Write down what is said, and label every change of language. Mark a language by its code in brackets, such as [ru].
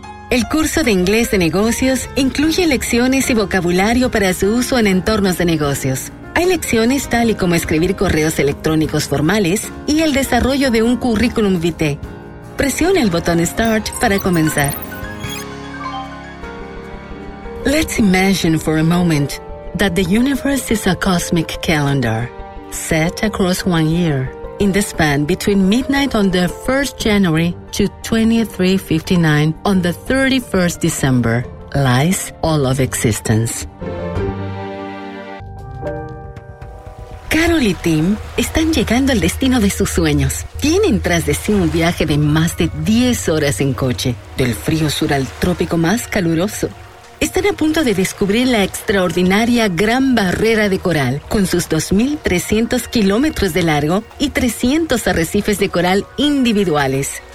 [es] El curso de inglés de negocios incluye lecciones y vocabulario para su uso en entornos de negocios. Hay lecciones tal y como escribir correos electrónicos formales y el desarrollo de un currículum vitae. Presione el botón Start para comenzar. [en] Let's imagine for a moment that the universe is a cosmic calendar set across 1 year in the span between midnight on the 1st January to 2359 on the 31st December lies all of existence. [es] Carol y Tim están llegando al destino de sus sueños. Tienen tras de sí un viaje de más de 10 horas en coche, del frío sur al trópico más caluroso. Están a punto de descubrir la extraordinaria Gran Barrera de Coral, con sus 2.300 kilómetros de largo y 300 arrecifes de coral individuales.